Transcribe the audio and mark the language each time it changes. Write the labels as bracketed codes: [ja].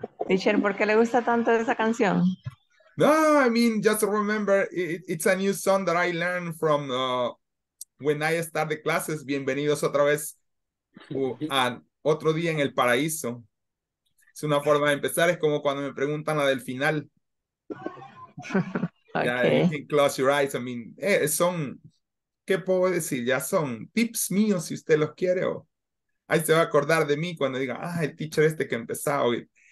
[es] Teacher, ¿por qué le gusta tanto esa canción? [en] No, I mean, just remember, it's a new song that I learned from when I started classes. [es] Bienvenidos otra vez a otro día en el paraíso. Es una forma de empezar, es como cuando me preguntan la del final. [en] Okay. Ya, you can close your eyes. I mean, [es] son, ¿qué puedo decir? Ya son tips míos si usted los quiere. O ahí se va a acordar de mí cuando diga, ah, el teacher este que empezaba hoy.